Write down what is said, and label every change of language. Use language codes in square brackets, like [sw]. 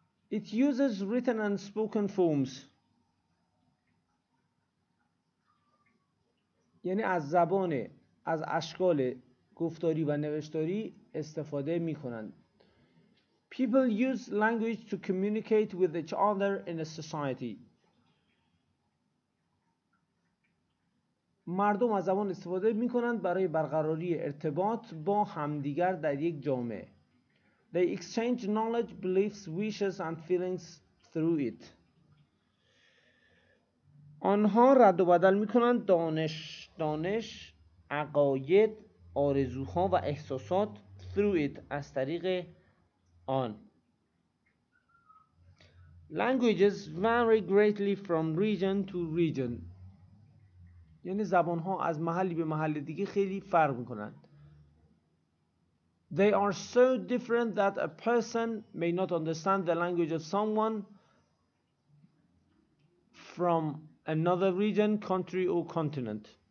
[en] It uses written and spoken forms. [fa] یعنی از زبان، از اشکال گفتاری و نوشتاری استفاده می کنند. [en] People use language to communicate with each other in a society. [fa] مردم از زبان استفاده می کنند برای برقراری ارتباط با همدیگر در یک جامعه. [en] They exchange knowledge, beliefs, wishes and feelings through it. [fa] آنها رد و بدل میکنند دانش، عقاید، آرزوها و احساسات [en] through it [fa] از طریق آن. [en] Languages vary greatly from region to region. [fa] یعنی زبانها از محلی به محل دیگه خیلی فرق میکنند. [en] They are so different that a person may not understand the language of someone from another region, country or continent.